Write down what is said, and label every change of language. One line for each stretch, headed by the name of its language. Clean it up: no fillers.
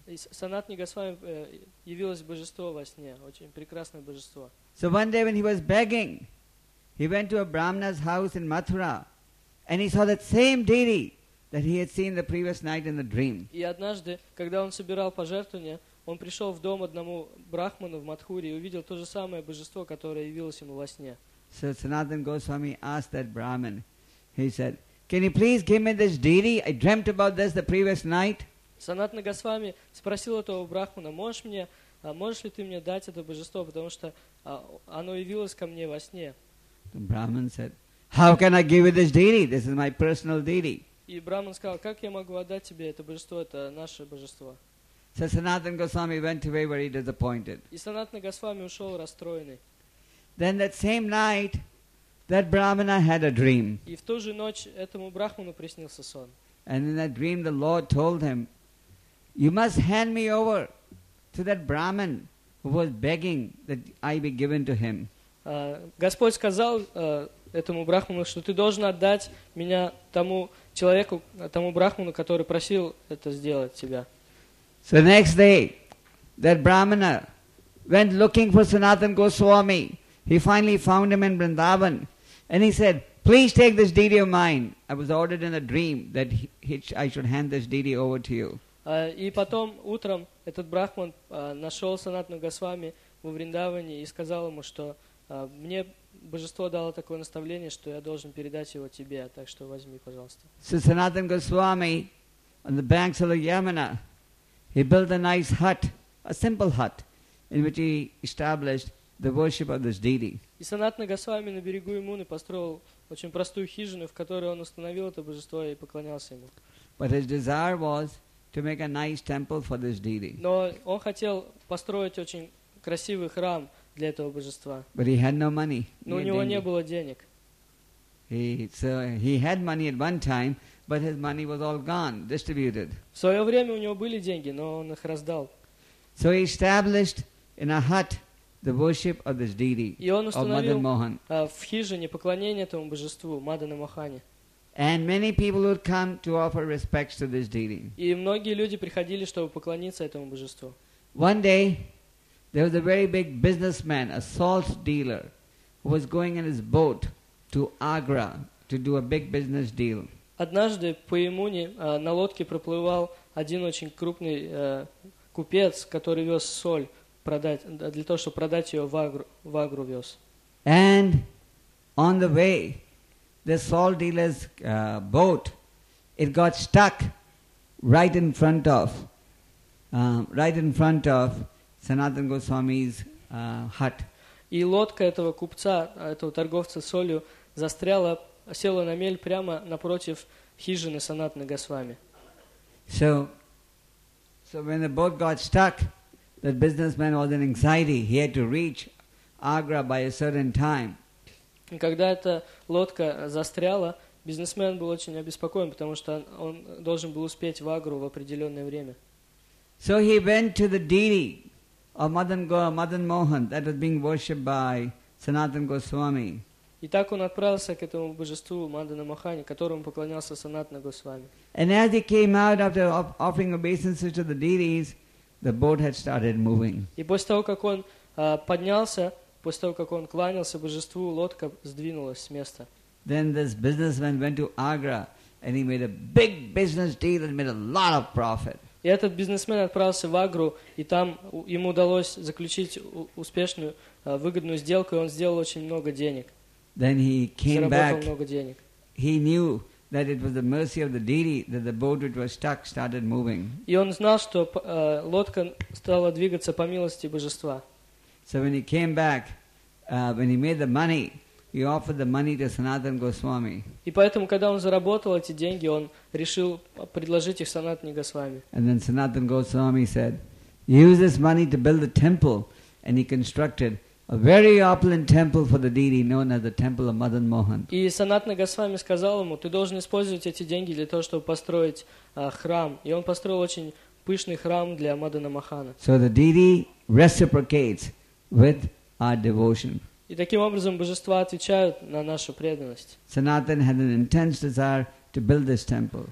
Russian: Санатни Госвами явилось божество во сне, очень прекрасное божество.
English: So one day when he was begging, he went to a Brahmana's house in Mathura, and he saw that same deity that he had seen the previous night in the dream.
Russian: И однажды, когда он собирал пожертвования, он пришел в дом одному брахману в Мадхуре и увидел то же самое божество, которое явилось ему во сне.
English: So Sanatana Goswami asked that Brahmin. He said, "Can you please give me this deity? I dreamt about this the previous night."
Russian: Sanatana Goswami спросил этого брахмана, "Можешь ли ты мне дать это божество, потому что оно явилось ко мне во сне.
English: The Brahman said, "How can I give you this deity? This is my personal deity."
Russian: И Брахман сказал, как я могу отдать тебе это божество, это наше божество.
English: So Sanatana Goswami went away very disappointed.
Russian: И Санатана Госвами ушел расстроенный.
English: Then that same night, that Brahmana had a dream.
Russian: И в ту же ночь этому Брахману приснился сон.
English: And in that dream, the Lord told him, "You must hand me over to that Brahman who was begging that I be given to him."
Russian: Господь сказал этому Брахману, что ты должен отдать меня тому человеку, тому Брахману, который просил это сделать тебя.
English: So the next day, that Brahmana went looking for Sanatana Goswami. He finally found him in Vrindavan. And he said, "Please take this deity of mine. I was ordered in a dream that I should hand this deity over to you."
Russian: И потом утром этот Брахман нашел Санатану Госвами во Вриндаване и сказал ему, что мне божество дало такое наставление, что я должен передать его тебе, так что возьми, пожалуйста.
English: So Sanatana Goswami, on the banks of the Yamuna, he built a nice hut, a simple hut, in which he established the worship of this deity.
Russian: И Санатана Госвами на берегу Ямуны построил очень простую хижину, в которой он установил это божество и поклонялся ему.
English: But his desire was to make a nice temple for this deity.
Russian: Но он хотел построить очень красивый храм для этого божества.
English: But he had no money.
Russian: Но у него не было денег.
English: He had money at one time, but his money was all gone, distributed.
Russian: В свое время у него были деньги, но он их раздал.
English: So he established in a hut the worship of this deity, of Madan Mohan.
Russian: В хижине поклонение этому божеству, Мадана Мохане.
English: And many people would come to offer respects to this deity.
Russian: И многие люди приходили, чтобы поклониться этому божеству.
English: One day, there was a very big businessman, a salt dealer, who was going in his boat to Agra to do a big business deal.
Russian: Однажды по Ямуне на лодке проплывал один очень крупный купец, который вез соль продать, для того, чтобы продать ее в Агру вез.
English: And on the way, the salt dealer's boat, it got stuck right in front of Sanatana Goswami's hut.
Russian: И лодка этого купца, этого торговца солью, застряла, села на мель прямо напротив хижины Санатана Госвами.
English: So when the boat got stuck, that businessman was in anxiety. He had to reach Agra by a certain time.
Russian: Когда эта лодка застряла, бизнесмен был очень обеспокоен, потому что он должен был успеть в Агру в определенное время.
English: So he went to the deity of Madan Mohan that was being worshipped by Sanatana Goswami.
Russian: И так он отправился к этому божеству Мадана Мохане, которому поклонялся Санатана Госвами.
English: And as he came out after offering obeisances to the deities, the boat had started moving.
Russian: И после того, как он поднялся, после того, как он кланялся божеству, лодка сдвинулась с места.
English: Then this businessman went to Agra and he made a big business deal and made a lot of profit.
Russian: И этот бизнесмен отправился в Агру, и там ему удалось заключить успешную, выгодную сделку, и он сделал очень много денег.
English: Then he came back.
Russian: Заработал много денег.
English: He knew that it was the mercy of the deity that the boat which was stuck started moving.
Russian: И он знал, что лодка стала двигаться по милости божества.
English: So when he came back, when he made the money, he offered the money to Sanatana Goswami.
Russian: И поэтому, когда он заработал эти деньги, он решил предложить их Санатане Госвами.
English: And then Sanatana Goswami said, "Use this money to build a temple," and he constructed a very opulent temple for the deity, known as the Temple of Madan Mohan.
Russian: И Санатана Госвами сказал ему, ты должен использовать эти деньги для того, чтобы построить храм. И он построил очень пышный храм для Мадана Мохана.
English: So the deity reciprocates with our devotion.
Russian: И таким образом божества отвечают на нашу преданность.
English: Sanatana had an intense desire to build this temple.